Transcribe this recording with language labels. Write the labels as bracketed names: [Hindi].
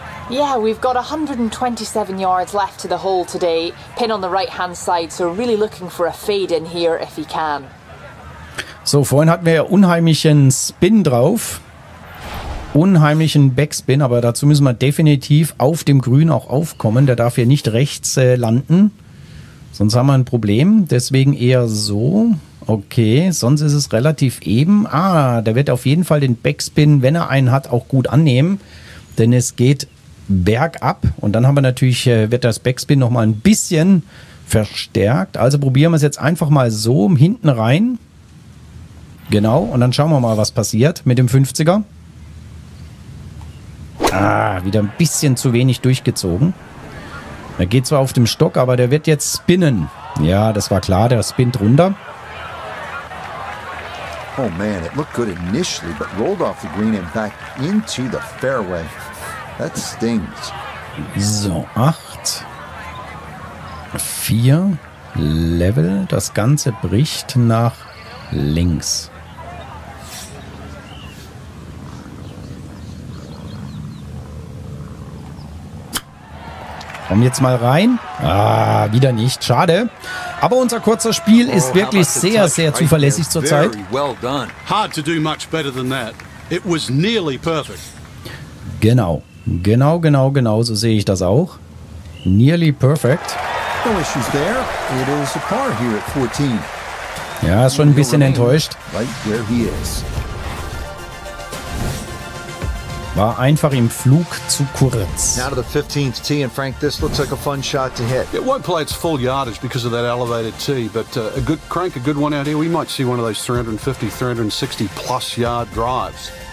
[English] Yeah, we've got 127 yards left to the hole today. Pin on the right hand side, so really looking for a fade in here if he can. [German] So, vorhin hatten wir ja unheimlichen Spin drauf. Unheimlichen Backspin, aber dazu müssen wir definitiv auf dem Grün auch aufkommen. Der darf hier nicht rechts landen, sonst haben wir ein Problem. Deswegen eher so. Okay, sonst ist es relativ eben. Ah, der wird auf jeden Fall den Backspin, wenn er einen hat, auch gut annehmen. Denn es geht bergab und dann haben wir natürlich, wird das Backspin nochmal ein bisschen verstärkt. Also probieren wir es jetzt einfach mal so hinten rein. Genau, und dann schauen wir mal, was passiert mit dem 50er. Ah, wieder ein bisschen zu wenig durchgezogen. Er geht zwar auf dem Stock, aber der wird jetzt spinnen. Ja, das war klar, der spinnt runter. [English] Oh man, it looked good initially, but rolled off the green and back into the fairway. That stings. So, 8. [German] 4 Level, das Ganze bricht nach links. Komm jetzt mal rein. Ah, wieder nicht. Schade. Aber unser kurzer Spiel ist wirklich sehr, sehr zuverlässig zurzeit. [English] Hard to do much better than that. It was nearly perfect. [German] Genau. Genau. So sehe ich das auch. [English] Nearly perfect. No issues there. It is a par here at 14. [German] Ja, ist schon ein bisschen enttäuscht. [English] Right where he is. [German] War einfach im Flug zu kurz. [English] Now to the 15th tee, and Frank, this looks like a fun shot to hit. It won't play its full yardage because of that elevated tee, but a good crank, a good one out here, we might see one of those 350, 360 plus yard drives.